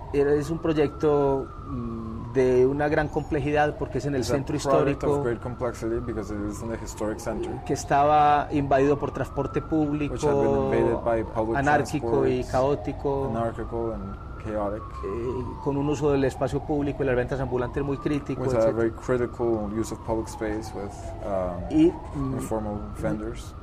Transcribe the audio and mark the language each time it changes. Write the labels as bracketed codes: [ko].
[es] Es un proyecto de una gran complejidad porque es en el centro histórico. [en] Of great complexity because it is in the historic center. [es] Que estaba invadido por transporte público, [en] which had been invaded by public [es] anárquico y caótico. [en] Anarchical and chaotic, [es] con un uso del espacio público y las ventas ambulantes muy crítico, [en] with a very critical use of public space with informal vendors.